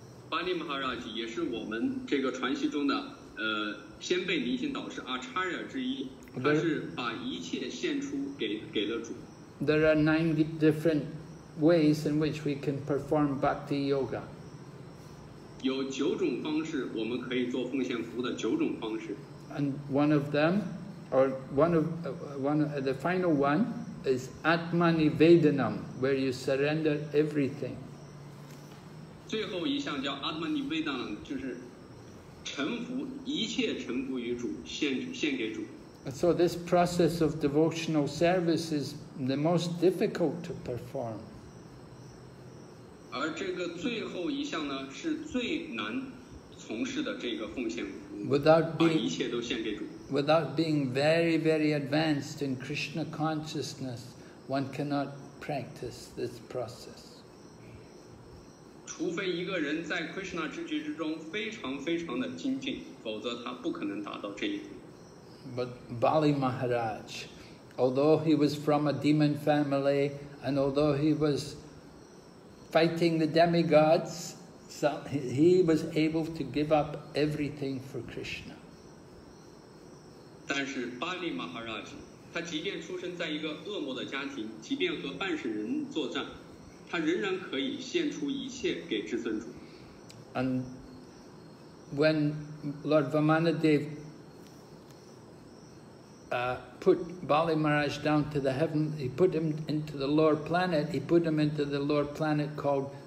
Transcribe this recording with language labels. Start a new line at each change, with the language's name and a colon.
Chinese: Bali Maharaj 也是我们这个传习中的先辈明星导师 acharya 之一，他是把一切献出给了主。
English: There are 9 different ways in which we can perform bhakti yoga.
Chinese: 有九种方式我们可以做奉献服务的九种方式。
English: And one of them. Or the final one is Atmanivedanam, where you surrender everything.
Chinese: 最后一项叫 Atmanivedanam, 就是臣服，一切臣服于主，献给主。
English: So this process of devotional service is the most difficult to perform.
Chinese: 而这个最后一项呢，是最难从事的这个奉献服务。
English: Without being very, very advanced in Krishna consciousness, one cannot practice this process.
Chinese: 除非一个人在 Krishna 知觉之中非常非常的精进，否则他不可能达到这一步。
English: But Bali Maharaj, although he was from a demon family, and although he was fighting the demigods,So he was able to give up everything for Krishna.
Chinese: 但是巴利马哈拉吉，他即便出生在一个恶魔的家庭，即便和半神人作战，他仍然可以献出一切给至尊主。
English: And when Lord Vamanadeva put Bali Maharaj down to the heaven, he put him into the lower planet. He put him into the lower planet called.